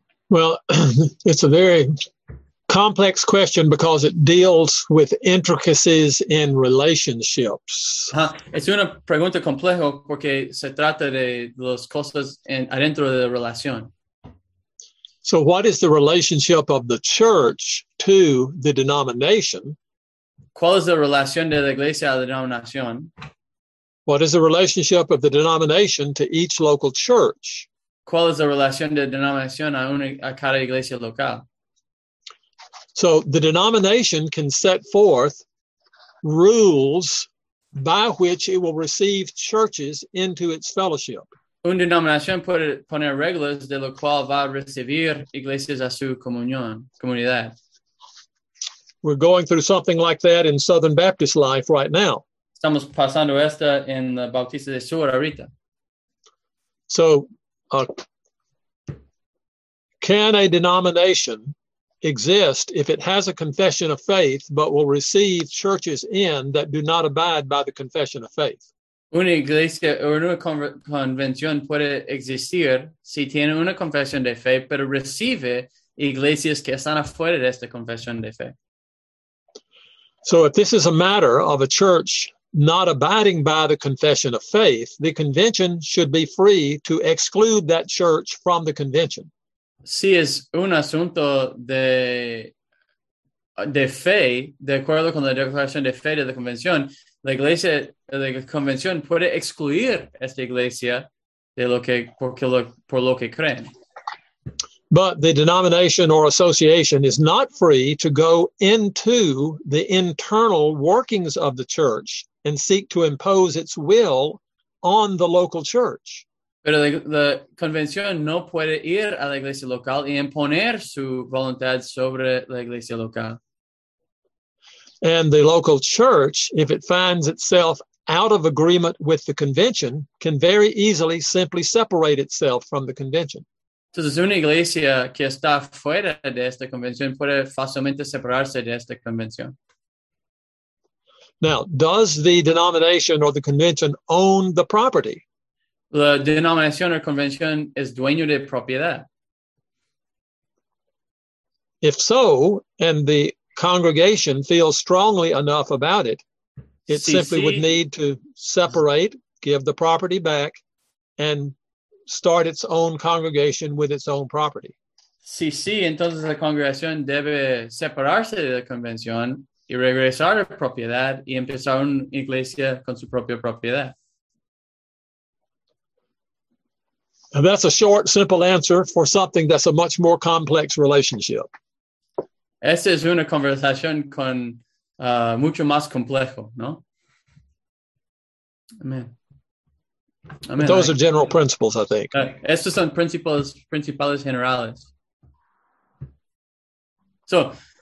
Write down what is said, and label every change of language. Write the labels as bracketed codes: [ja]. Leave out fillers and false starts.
[en] Well, it's a very complex question because it deals with intricacies in relationships. [es] Es una pregunta compleja porque se trata de las cosas adentro de la relación. [en] So what is the relationship of the church to the denomination? [es] ¿Cuál es la relación de la iglesia a la denominación? [en] What is the relationship of the denomination to each local church? [es] ¿Cuál es la relación de denominación a cada iglesia local? [en] So the denomination can set forth rules by which it will receive churches into its fellowship. [es] Una denominación puede poner reglas de lo cual va a recibir iglesias a su comunidad. [en] We're going through something like that in Southern Baptist life right now. [es] Estamos pasando esta en la Bautista del Sur ahorita. [en] So, can a denomination exist if it has a confession of faith but will receive churches in that do not abide by the confession of faith? [es] Una iglesia o una convención puede existir si tiene una confesión de fe, pero recibe iglesias que están afuera de esta confesión de fe. [en] So if this is a matter of a church not abiding by the confession of faith, the convention should be free to exclude that church from the convention. [es] Si es un asunto de fe, de acuerdo con la declaración de fe de la convención, la iglesia, la convención puede excluir esta iglesia de lo que, porque lo, por lo que creen. [en] But the denomination or association is not free to go into the internal workings of the church and seek to impose its will on the local church. [es] Pero la convención no puede ir a la iglesia local y imponer su voluntad sobre la iglesia local. [en] And the local church, if it finds itself out of agreement with the convention, can very easily simply separate itself from the convention. [es] Entonces, una iglesia que está fuera de esta convención puede fácilmente separarse de esta convención. [en] Now, does the denomination or the convention own the property? [es] La denominación o convención es dueño de propiedad. [en] If so, and the congregation feels strongly enough about it, it simply would need to separate, give the property back, and start its own congregation with its own property. [es] Si sí, entonces la congregación debe separarse de la convención y regresar a propiedad y empezar una iglesia con su propia propiedad. [en] And that's a short, simple answer for something that's a much more complex relationship. [es] Esta es una conversación con mucho más complejo, ¿no? [en] Amen. Amen. Those are general principles, I think. [es] Estos son principales generales. [en] So,